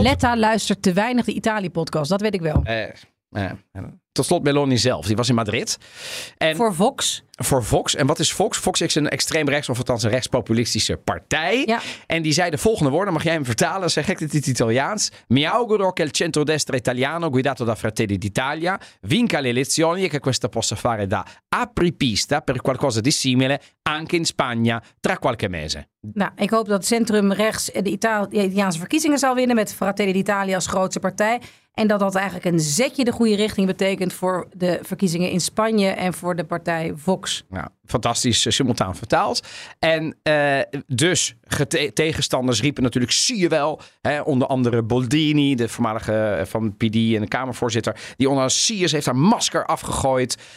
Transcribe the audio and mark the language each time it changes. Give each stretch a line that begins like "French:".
Dutch: Letta luistert te weinig de Italië-podcast. Dat weet ik wel. Tot slot Meloni zelf. Die was in Madrid. En voor Vox. Voor Vox. En wat is Vox? Vox is een extreem rechts, of althans een rechtspopulistische partij. Ja. En die zei de volgende woorden. Mag jij hem vertalen? Zeg ik dit in het Italiaans.
Italian: Mi auguro che il centrodestra italiano guidato da Fratelli d'Italia vinca le elezioni e che questa possa fare da apripista per qualcosa di simile anche in Spagna tra qualche mese.
Dutch: Nou, ik hoop dat centrum rechts de Italiaanse verkiezingen zal winnen met Fratelli d'Italia als grootste partij. En dat dat eigenlijk een zetje de goede richting betekent voor de verkiezingen in Spanje en voor de partij Vox. Nou, fantastisch simultaan vertaald. En dus tegenstanders riepen natuurlijk, zie je wel, hè, onder andere Boldini, de voormalige van PD en de Kamervoorzitter, die onder andere Sears heeft haar masker afgegooid.